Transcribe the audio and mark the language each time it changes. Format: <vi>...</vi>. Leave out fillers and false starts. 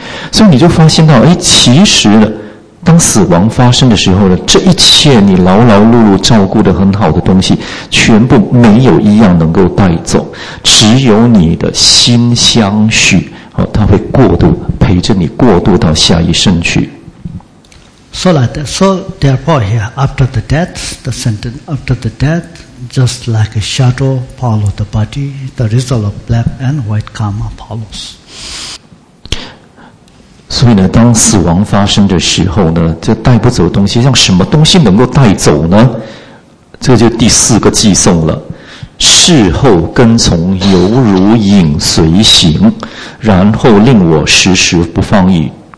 <zh>所以你就发现到，其实呢，当死亡发生的时候呢，这一切你劳劳碌碌照顾得很好的东西，全部没有一样能够带走，只有你的心相续，它会过渡，陪着你过渡到下一生去。</zh> <en>So like that. So therefore here, after the death, the sentence, after the death, just like a shadow follow the body, the result of black and white karma follows.</en> <zh>所以呢，当死亡发生的时候呢，这带不走的东西，像什么东西能够带走呢？这就第四个偈颂了。事后跟从犹如影随形，然后令我时时不放逸。</zh>